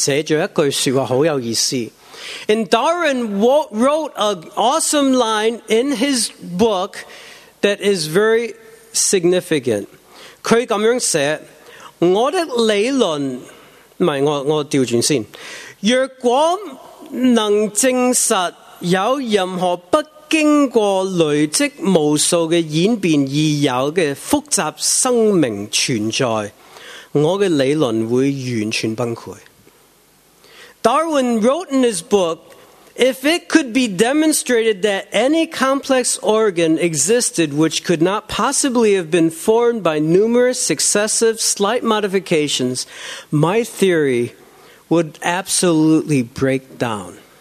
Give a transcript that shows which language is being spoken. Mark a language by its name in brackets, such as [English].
[Chinese] 達爾文在他偉大的著作裏面寫了一句話,很有意思。 [English] And Darwin wrote an awesome line in his book that is very significant. [Chinese] 他這樣寫,我的理論,不是我調轉先,若果能證實有任何不經過累積無數的演變而有的複雜生命存在,我的理論會完全崩潰。 [English] Darwin wrote in his book, if it could be demonstrated that any complex organ existed which could not possibly have been formed by numerous successive slight modifications, my theory would absolutely break down.